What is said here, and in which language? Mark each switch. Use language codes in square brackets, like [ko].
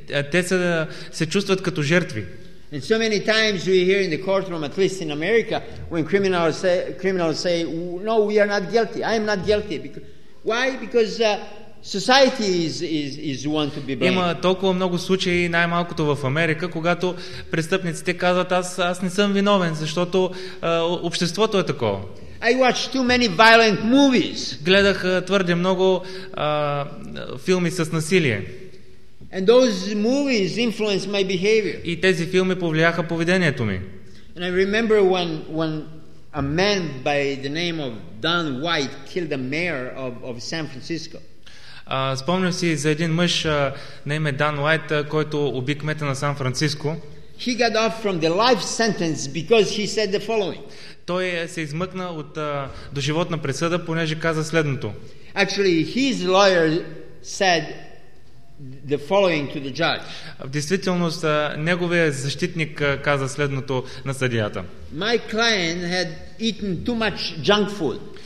[bg] Те се чувстват като жертви. [en] And so many times we hear in the courtroom, at least in America, when criminals say, no, we are not guilty. I am not guilty. Why? Because society is one to be blamed. [bg] Има толкова много случаи, най-малкото в Америка, когато престъпниците казват, аз не съм виновен, защото обществото е такова. [en] I watch too many violent movies. [bg] Гледах твърде много филми с насилие. [en] And those movies influenced my behavior. [bg] И тези филми повлияха поведението ми. [en] And I remember when a man by the name of Don White killed the mayor of San Francisco. [bg] Спомням си за един мъж на име Дан Уайт, който уби кмета на Сан Франциско. [en] He got off from the life sentence because he said the following. [bg] Той се измъкна от доживотна присъда, понеже каза следното. [en] Actually, his lawyer said the following to the judge. [bg] В действителност неговия защитник каза следното на съдията. [en] My client had eaten too much junk food.